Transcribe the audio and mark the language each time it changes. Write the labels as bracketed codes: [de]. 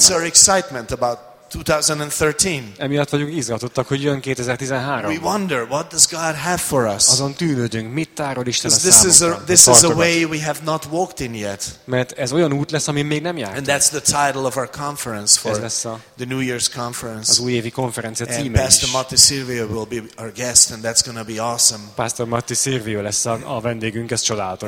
[en] That's our excitement about 2013. [hu] Emiatt vagyunk izgatottak, hogy jön 2013. [en] We wonder what does God have for us. [hu] Azon tűnődünk, mit tárol Isten a számunkra. [en] This is a way we have not walked in yet. [hu] Mert ez olyan út lesz, amin még nem jártunk. [en] And that's the title of our conference for the New Year's conference. [hu] Az új évi konferencia címe. [en] And Pastor Matti Silvio will be our guest, and that's going to be awesome. [hu] Pastor Matti Silvio lesz a vendégünk, ez csodálatos.